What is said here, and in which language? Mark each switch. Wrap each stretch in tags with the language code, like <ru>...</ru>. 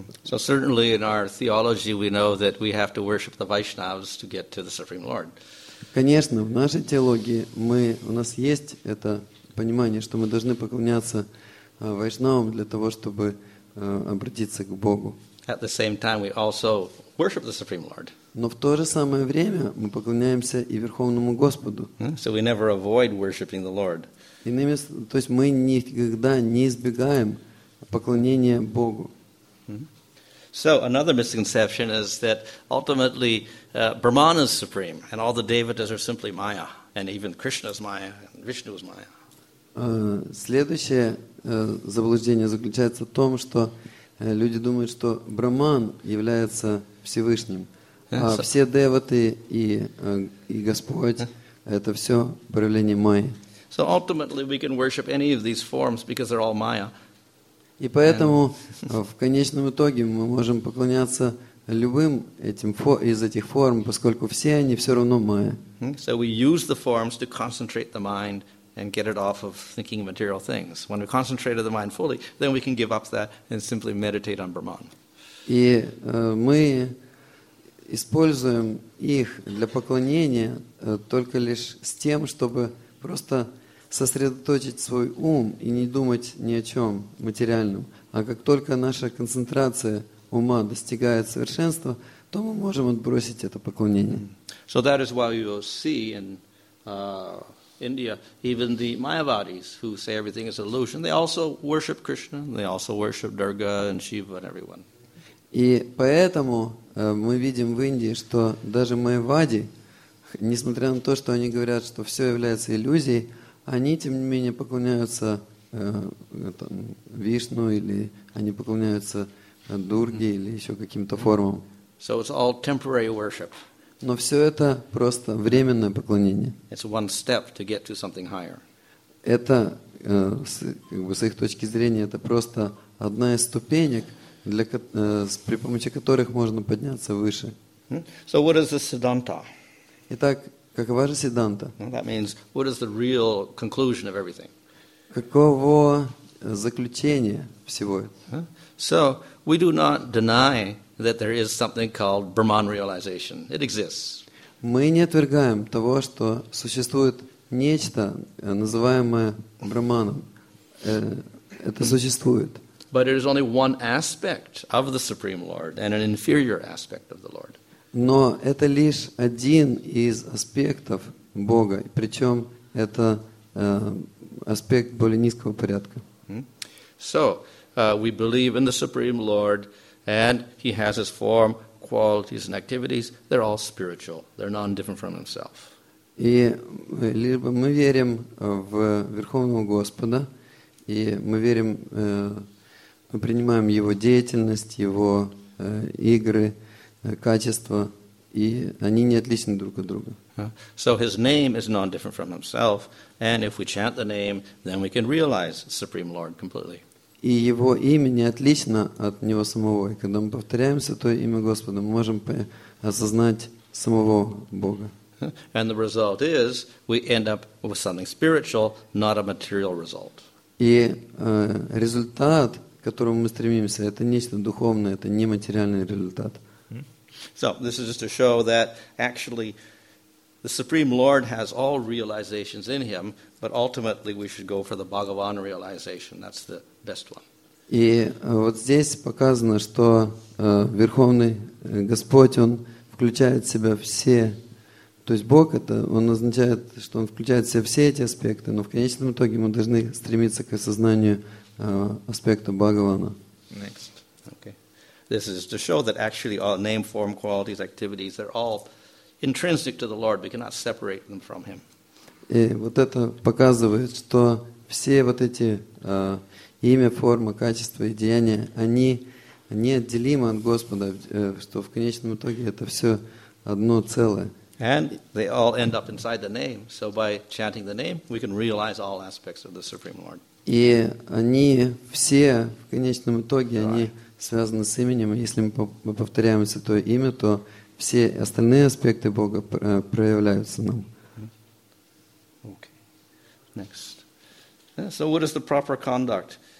<en>So certainly in our theology we know that we have to worship the Vaishnavas to get to the Supreme Lord.</en> <ru>Конечно, в нашей теологии мы, у нас есть это понимание, что мы должны поклоняться Вайшнавам для того, чтобы обратиться к Богу.</ru> <en>At the same time, we also worship the Supreme Lord.</en> <ru>Но в то же самое время мы поклоняемся и Верховному Господу.</ru> <en>So we never avoid worshiping the Lord.</en> <ru>Иными, то есть мы никогда не избегаем поклонения Богу.</ru> <en>So another misconception is that ultimately Brahman is supreme and all the devatas are simply maya, and even Krishna is maya and Vishnu is maya.</en> <ru>Следующее заблуждение заключается в том, что люди думают, что Брахман является Всевышним, А все деваты и Господь это все проявление майи.</ru> <en>So ultimately we can worship any of these forms because they're all Maya.</en> <ru>И поэтому в конечном итоге мы можем поклоняться любым этим из этих форм, поскольку все они все равно майя.</ru> <en>So we use the forms to concentrate the mind and get it off of thinking of material things. When we concentrate the mind fully, then we can give up that and simply meditate on Brahman.</en> <ru>И мы используем их для поклонения только лишь с тем, чтобы просто сосредоточить свой ум и не думать ни о чем материальном. А как только наша концентрация ума достигает совершенства, то мы можем отбросить это поклонение.</ru> <en>So that is why you see in India, even the Mayavadis, who say everything is illusion, they also worship Krishna, they also worship Durga and Shiva and everyone.</en> <ru>И поэтому мы видим в Индии, что даже Майавади, несмотря на то, что они говорят, что все является иллюзией, они, тем не менее, поклоняются там, Вишну, или они поклоняются Дурге, или еще каким-то формам.</ru> <en>So it's all temporary worship.</en> <ru>Но все это просто временное поклонение.</ru> <en>It's one step to get to something higher.</en> <ru>Это, как бы, с их точки зрения, это просто одна из ступенек, при помощи которых можно подняться выше.</ru> <en>So what is the siddhanta?</en> <ru>Итак, какова же сиддханта?</ru> <en>That means what is the real conclusion of everything?</en> <ru>Каково заключение всего?</ru> <en>So we do not deny that there is something called Brahman realization. It exists.</en> <ru>Мы не отвергаем того, что существует нечто, называемое Брахманом. Это существует.</ru> <en>But it is only one aspect of the Supreme Lord and an inferior aspect of the Lord.</en> <ru>Но это лишь один из аспектов Бога, причем это аспект более низкого порядка.</ru> <en>So, we believe in the Supreme Lord and he has his form, qualities and activities. They're all spiritual. They're non-different from himself.</en> <ru>И либо мы верим в Верховного Господа, и мы верим... Мы принимаем его деятельность, его игры, качества, и они не отличны друг от друга.</ru> <en>So his name is non-different from himself, and if we chant the name, then we can realize the Supreme Lord completely.</en> <ru>И его имя не отлично от него самого, и когда мы повторяем Святое имя Господа, мы можем осознать самого Бога.</ru> <en>And the result is, we end up with something spiritual, not a material result.</en> <ru>И результат... к которому мы стремимся, это нечто духовное, это не материальный результат.</ru> <en>So, this is just to show that actually the Supreme Lord has all realizations in him, but ultimately we should go for the Bhagavan realization. That's the best one.</en> <ru>И вот здесь показано, что Верховный Господь, он включает в себя все, то есть Бог, это он означает, что он включает в себя все эти аспекты, но в конечном итоге мы должны стремиться к осознанию аспекта Бхагавана.</ru> <en>Next. Okay. This is to show that actually all name, form, qualities, activities, they're all intrinsic to the Lord. We cannot separate them from him.</en> <ru>И вот это показывает, что все вот эти имя, форма, качество и деяния, они неотделимы от Господа, что в конечном итоге это все одно целое.</ru> <en>And they all end up inside the name. So by chanting the name, we can realize all aspects of the Supreme Lord.</en> <ru>И они все, в конечном итоге, они связаны с именем. Если мы повторяем Святое имя, то все остальные аспекты Бога проявляются нам.</ru> <en>Okay. Next. So what is the proper conduct?</en>